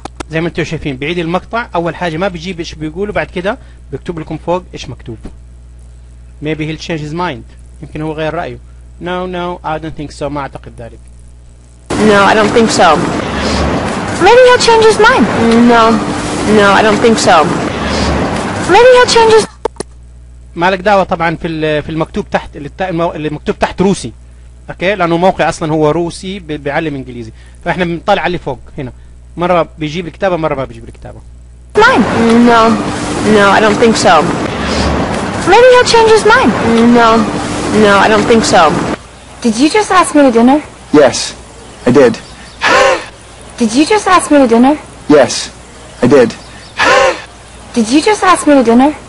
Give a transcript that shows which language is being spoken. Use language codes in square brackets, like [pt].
[ar] زي ما انتم شايفين بعيد المقطع، اول حاجه ما بجيب ايش بيقولوا، بعد كده بكتب لكم فوق ايش مكتوب. [en] Maybe he'll change his mind. [ar] يمكن هو غير رايه. [en] No, no, I don't think so. [ar] ما اعتقد ذلك. [en] No, I don't think so. Maybe he'll change his mind. No. No, I don't think so. Maybe he'll change his [ar] مالك دعوة طبعا في المكتوب تحت اللي مكتوب تحت روسي. اوكي؟ لأنه موقع أصلا هو روسي بيعلم إنجليزي. فإحنا بنطلع اللي فوق هنا. مرة بيجيب الكتابة مرة ما بيجيب الكتابة. [en] Mine. No. No, I don't think so. Maybe he'll change his mind. No. No, I don't think so. Did you just ask me to dinner? Yes. I did. Did you just ask me to dinner? Yes, I did. Did you just ask me to dinner?